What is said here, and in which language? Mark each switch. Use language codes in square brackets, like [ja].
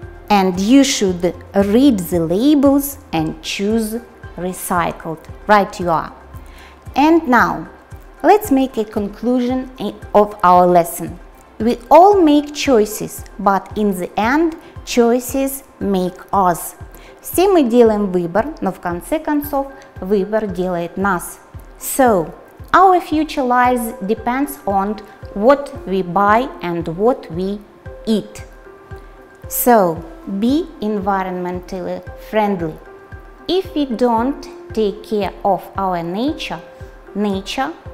[en] And you should read the labels and choose recycled. Right you are. And now, let's make a conclusion of our lesson. We all make choices, but in the end, choices make us. [ru] Все мы делаем выбор, но в конце концов, выбор делает нас. [en] So, our future lives depends on what we buy and what we eat. So, be environmentally friendly. If we don't take care of our nature, nature